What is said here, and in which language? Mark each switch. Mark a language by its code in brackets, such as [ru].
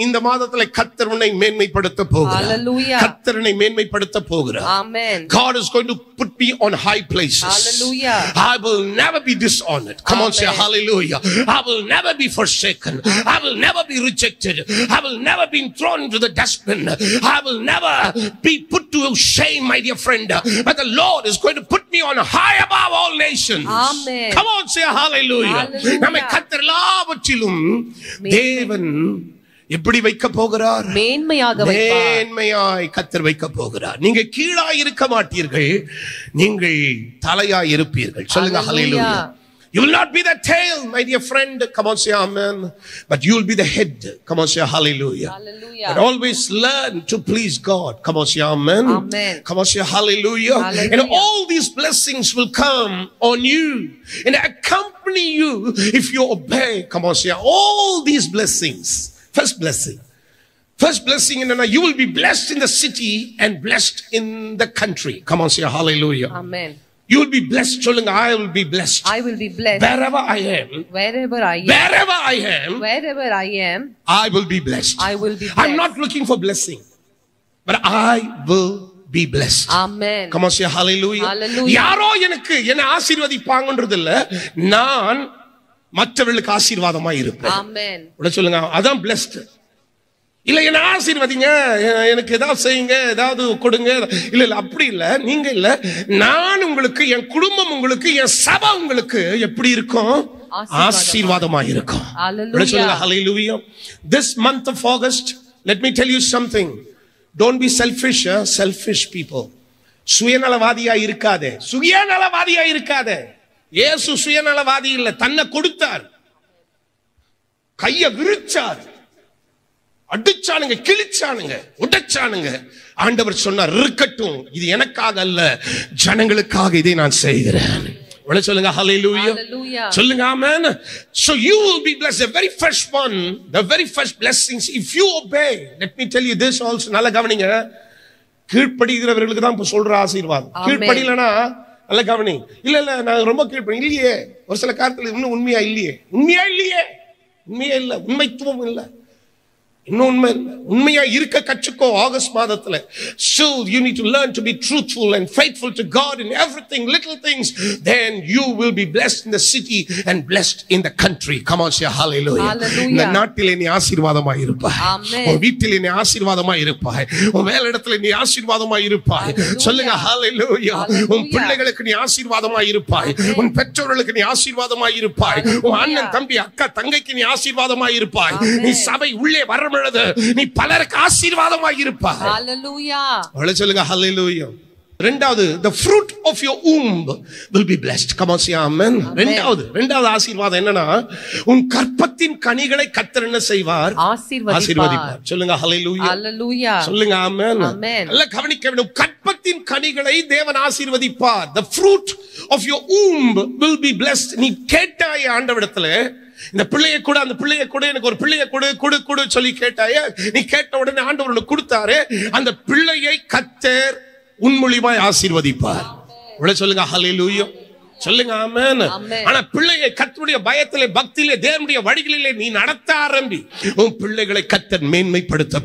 [ta] இந்த மாதத்தில் கர்த்தர் உன்னை மேன்மைப்படுத்த போகிறார். [en] Hallelujah. [ta] கர்த்தர் உன்னை மேன்மைப்படுத்த போகிறார். [en] Amen. God is going to put me on high places. Hallelujah. I will never be dishonored. Come Amen. On say hallelujah. I will never be forsaken. I will never be rejected. I will never be thrown into the dustbin. I will never be put to shame, my dear friend. But the Lord is going to put me on high above all nations. Amen. Come on say hallelujah. [ta] நம்மை கர்த்தர் எல்லாவற்றிலும் தேவன் எப்படி வைக்க போகிறார்? மேன்மையாக வைப்பார். மேன்மையாய் கர்த்தர் வைக்க போகிறார். நீங்க கீழாய் இருக்க மாட்டீர்கள், நீங்கள் தலையாய் இருப்பீர்கள். சொல்லுங்க ஹல்லேலூயா. [en] You will not be the tail, my dear friend. Come on, say amen. But you will be the head. Come on, say hallelujah. Hallelujah. But always learn to please God. Come on, say amen. Amen. Come on, say hallelujah. Hallelujah. And all these blessings will come on you and accompany you if you obey. Come on, say all these blessings. First blessing, and you will be blessed in the city and blessed in the country. Come on, say hallelujah. Amen. You will be blessed. [ta] Chulunga, [en] I will be blessed. I will be blessed. Wherever I am. I will be blessed. I will be blessed. I'm not looking for blessing. But I will be blessed. Amen. Come on, say hallelujah. Hallelujah. [ta] யாரோ எனக்கு என்ன ஆசீர்வதிப்பாங்கன்றதில்ல, நான் மற்றவர்களுக்கு ஆசீர்வாதமா இருப்பேன். [en] Amen. [ta] உடனே சொல்லுங்க, அதான் blessed. இல்ல என்ன ஆசீர்வதிங்க, எனக்கு ஏதாவது செய்யுங்க, ஏதாவது கொடுங்க. இல்ல இல்ல, அப்படி இல்ல. நீங்க இல்ல, நான் உங்களுக்கு, என் குடும்பம் உங்களுக்கு, என் சபை உங்களுக்கு எப்படி இருக்கும்? ஆசீர்வாதமா இருக்கும். ஹல்லேலூயா. [en] This month of August, let me tell you something. Don't be selfish, selfish people. [ta] சுயநலவாதியா இருக்காதே, சுயநலவாதியா இருக்காதே. இயேசு சுயநலவாதி இல்ல, தன்னை கொடுத்தார், கைய விரிச்சார், அடிச்சானுங்க, கிழிச்சானுங்க, உடைச்சானுங்க. ஆண்டவர் சொன்னார், இருக்கட்டும், இது எனக்காக அல்ல, ஜனங்களுக்காக இதை நான் செய்கிறேன். உடனே சொல்லுங்க ஹல்லேலூயா. சொல்லுங்க ஆமென். [en] So you will be blessed. The very first one, the very first blessings, if you obey. Let me tell you this also. [ta] நல்ல கவனிங்க. கீழ்ப்படிகிறவர்களுக்கு தான் இப்ப சொல்ற ஆசீர்வாதம். கீழ்ப்படியலனா நல்ல கவனிங்க. இல்ல இல்ல, நான் ரொம்ப கீழ்ப்படி இல்லையே, ஒரு சில காரணத்துல இன்னும் உண்மையா இல்லையே, உண்மையா இல்லையே, உண்மையா இல்ல, உண்மைத்துவம் இல்ல, உண்மையா இருக்க கற்றுக்கோ ஆகஸ்ட் மாதத்துல. [en] So you need to learn to be truthful and faithful to God in everything, little things, then you will be blessed in the city and blessed in the country. Come on, say hallelujah. [ta] இந்த நாட்டில் நீ ஆசீர்வாதமா இருப்பாய், உன் வீட்டில் நீ ஆசீர்வாதமா இருப்பாய், உன் வேலை இடத்துல நீ ஆசீர்வாதமா இருப்பாய். சொல்லுங்க ஹல்லேலூயா. உன் பிள்ளைகளுக்கு நீ ஆசீர்வாதமா இருப்பாய், உன் பெற்றோர்களுக்கு நீ ஆசீர்வாதமா இருப்பாய், உன் அண்ணன் தம்பி அக்கா தங்கைக்கு நீ ஆசீர்வாதமா இருப்பாய், நீ சபை உள்ளே வர நீ பலருக்கு ஆசீர்வாதமாக இருப்பாய். ஹல்லேலூயா. வள சொல்லுங்க ஹல்லேலூயா. ரெண்டாவது, [en] the fruit of your womb will be blessed. Come on, say amen. [ta] ரெண்டாவது ஆசீர்வாதம் என்னன்னா, உன் கர்ப்பத்தின் கனிகளை கர்த்தர் என்ன செய்வார்? ஆசீர்வதிப்பார். சொல்லுங்க ஹல்லேலூயா. ஹல்லேலூயா. சொல்லுங்க ஆமென். ஆமென். நல்லா கவனிக்க வேண்டும். கர்ப்பத்தின் கனிகளை தேவன் ஆசீர்வதிப்பார். [en] The fruit of your womb will be blessed. [ta] நீ கேட்டாய் ஆண்டவரிடத்தில், இந்த பிள்ளையை கூட, அந்த பிள்ளையை கூட, எனக்கு ஒரு பிள்ளையை கொடு கொடு கொடு சொல்லி கேட்டாயே, நீ கேட்ட உடனே ஆண்டவர் உனக்கு கொடுத்தாரு, அந்த பிள்ளையை கர்த்தர் உன் மூலமாய் ஆசீர்வதிப்பார். உடனே சொல்லுங்க ஹல்லேலூயா. சொல்லுங்க ஆமென். ஆனா பிள்ளையை கர்த்தருடைய பயத்திலே, பக்தியிலே, தேவனுடைய வழிகளிலே நீ நடத்த ஆரம்பி, உன் பிள்ளைகளை கர்த்தர் மேன்மைப்படுத்த